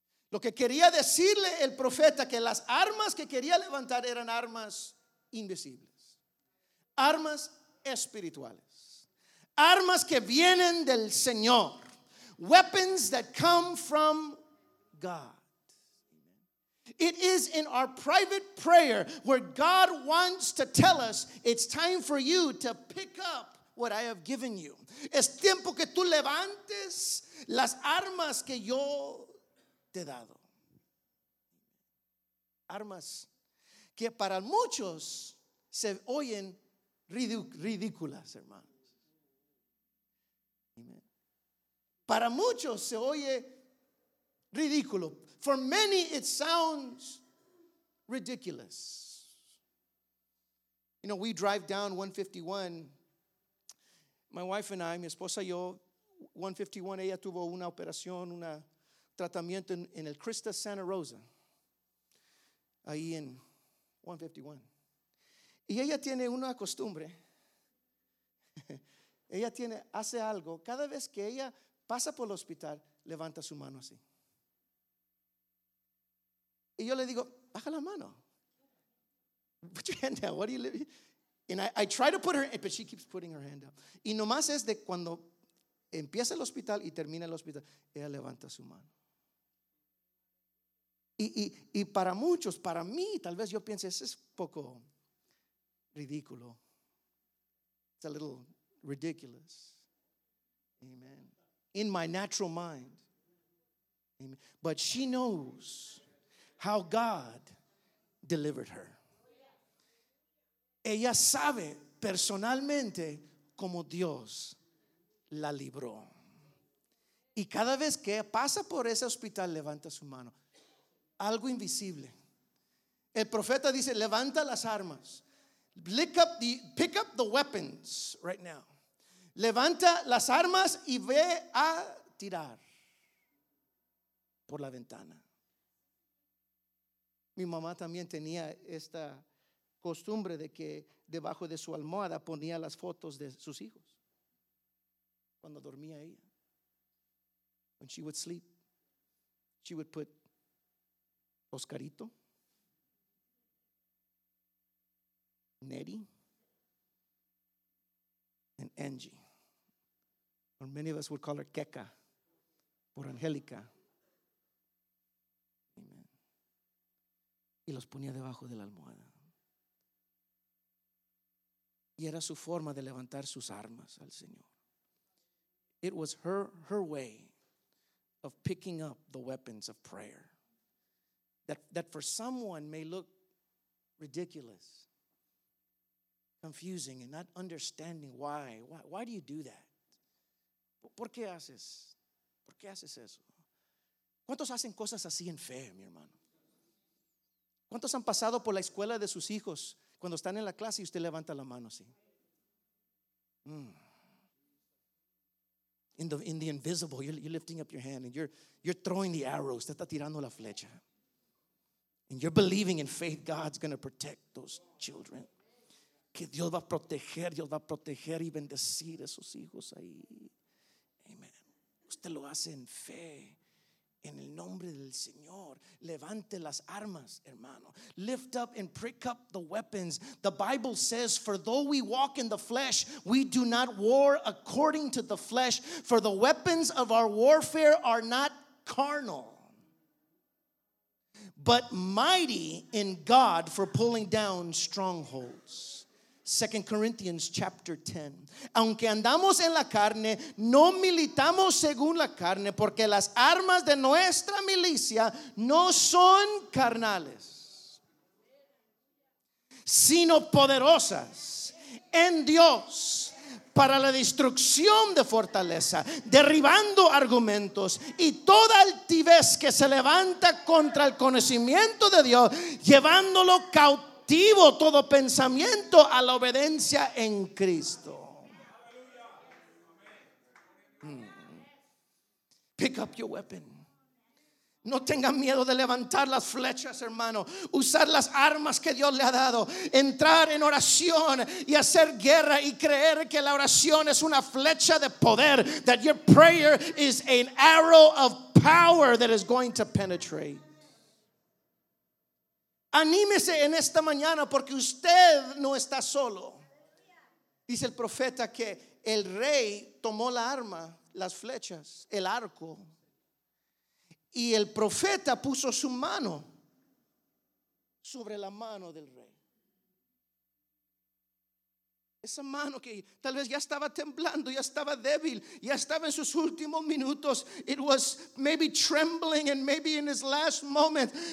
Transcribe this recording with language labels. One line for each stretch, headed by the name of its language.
Spanish: Lo que quería decirle el profeta, que las armas que quería levantar eran armas invisibles, armas espirituales, armas que vienen del Señor,
English: weapons that come from God. It is in our private prayer where God wants to tell us it's time for you to pick up what I have given you.
Spanish: Es tiempo que tú levantes las armas que yo te he dado. Armas que para muchos se oyen ridículas, hermanos. Amen. Para muchos se oye ridículo.
English: For many it sounds ridiculous. You know, we drive down 151. My wife and I,
Spanish: mi esposa y yo, 151, ella tuvo una operación, una tratamiento en el Cristo Santa Rosa, ahí en 151. Y ella tiene una costumbre. Ella tiene, hace algo. Cada vez que ella pasa por el hospital, levanta su mano así. Y yo le digo, baja la mano.
English: Put your hand down. What are you living? And I try to put her, but she keeps putting her hand down.
Spanish: Y nomás es de cuando empieza el hospital y termina el hospital, ella levanta su mano. Y para muchos, para mí, tal vez yo piense, eso es poco ridículo.
English: It's a little ridiculous. Amen. In my natural mind. Amen. But she knows how God delivered her.
Spanish: Ella sabe personalmente cómo Dios la libró. Y cada vez que pasa por ese hospital, levanta su mano. Algo invisible. El profeta dice, levanta las armas.
English: Pick up the weapons right now.
Spanish: Levanta las armas y ve a tirar por la ventana. Mi mamá también tenía esta costumbre de que debajo de su almohada ponía las fotos de sus hijos cuando dormía ella.
English: When she would sleep, she would put Oscarito, Nettie, and Angie. Or many of us would call her Keka, por Angélica.
Spanish: Amen. Y los ponía debajo de la almohada. Y era su forma de levantar sus armas al Señor.
English: It was her way of picking up the weapons of prayer. That for someone may look ridiculous, confusing, and not understanding why. Why do you do that?
Spanish: ¿Por qué haces eso? ¿Cuántos hacen cosas así en fe, mi hermano? ¿Cuántos han pasado por la escuela de sus hijos cuando están en la clase y usted levanta la mano así?
English: In the invisible, you're lifting up your hand and you're throwing the arrow.
Spanish: Usted está tirando la flecha.
English: And you're believing in faith God's going to protect those children.
Spanish: Que Dios va a proteger y bendecir a esos hijos ahí. Usted lo hace en fe, en el nombre del Señor. Levante las armas, hermano.
English: Lift up and prick up the weapons. The Bible says, for though we walk in the flesh, we do not war according to the flesh. For the weapons of our warfare are not carnal, but mighty in God for pulling down strongholds. 2 Corinthians chapter 10.
Spanish: Aunque andamos en la carne, no militamos según la carne, porque las armas de nuestra milicia no son carnales, sino poderosas en Dios para la destrucción de fortaleza, derribando argumentos y toda altivez que se levanta contra el conocimiento de Dios, llevándolo cautivo todo pensamiento a la obediencia en Cristo.
English: Pick up your weapon.
Spanish: No tenga miedo de levantar las flechas, hermano. Usar las armas que Dios le ha dado. Entrar en oración y hacer guerra y creer que la oración es una flecha de poder.
English: That your prayer is an arrow of power that is going to penetrate.
Spanish: Anímese en esta mañana porque usted no está solo. Dice el profeta que el rey tomó la arma, las flechas, el arco, y el profeta puso su mano sobre la mano del rey. Esa mano que tal vez ya estaba temblando, ya estaba débil, ya estaba en sus últimos minutos.
English: It was maybe trembling and maybe in his last moment.